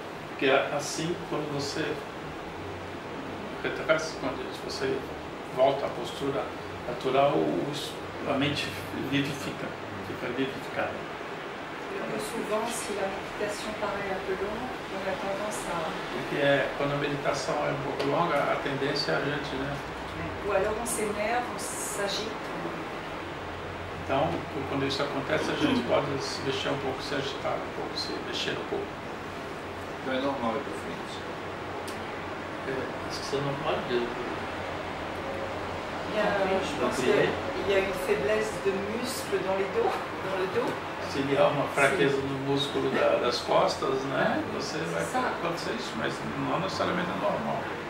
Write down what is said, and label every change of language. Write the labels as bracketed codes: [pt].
[pt] Porque assim, quando você retrasa, quando você volta à postura natural, a mente vivifica, fica vivificada. Souvent, se a meditação parece um pouco longa, [fr] on a tendance a... [pt] Porque quando a meditação é um pouco longa, a tendência é a gente, né? [fr] Ou alors on s'énerve, on s'agite. [pt] Então, quando isso acontece, a gente pode se mexer um pouco, se agitar um pouco, se mexer um pouco. Então é normal ir para frente. Isso é normal. [fr] Il y a une faiblesse de muscles dans les dos, dans le dos. [pt] Se [fr] il y a [pt] uma fraqueza no músculo das costas, né? Você vai acontecer isso, mas não necessariamente é normal.